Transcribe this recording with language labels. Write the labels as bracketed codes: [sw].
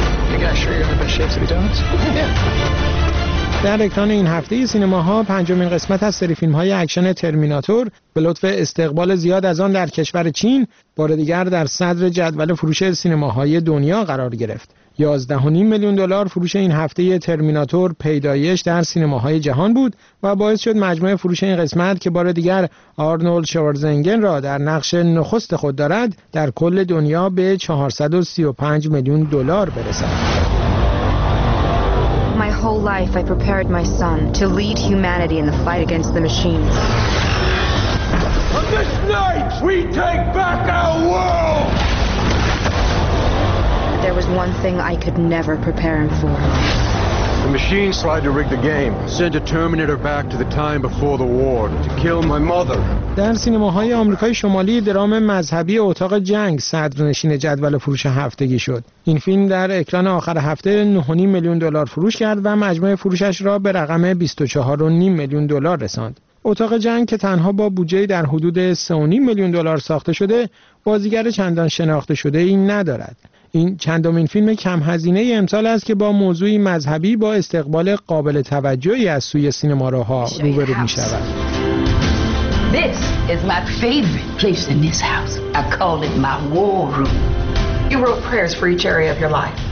[en] You guys sure you're in the best shape to be doing this? Yeah. [fa] در اکران این هفته سینماها پنجمین قسمت از سری فیلم‌های اکشن ترمیناتور به لطف استقبال زیاد از آن در کشور چین بار دیگر در صدر جدول فروش سینماهای دنیا قرار گرفت. 11.5 میلیون دلار فروش این هفته ترمیناتور پیدایش در سینماهای جهان بود و باعث شد مجموع فروش این قسمت که بار دیگر آرنولد شوارزنگر را در نقش نخست خود دارد در کل دنیا به 435 میلیون دلار برسد. [en] My whole life I prepared my son to lead humanity in the fight against the machines. On this night, we take back our world! There was one thing I could never prepare him for. The machines tried to rig the game, send a Terminator back to the time before the war to kill my mother. [fa] در سینماهای آمریکای شمالی درام مذهبی اتاق جنگ صدرنشین جدول فروش هفتگی شد. این فیلم در اکران آخر هفته 9.5 میلیون دلار فروش کرد و مجموع فروشش را به رقم 24.5 میلیون دلار رساند. اتاق جنگ که تنها با بودجه در حدود 3.5 میلیون دلار ساخته شده، بازیگر چندان شناخته شده ای ندارد. این چندمین فیلم کم هزینه امسال است که با موضوعی مذهبی با استقبال قابل توجهی از سوی سینماروها روبرو می شود. [en] This is my favorite place in this house. I call it my war room. You wrote prayers for each area of your life.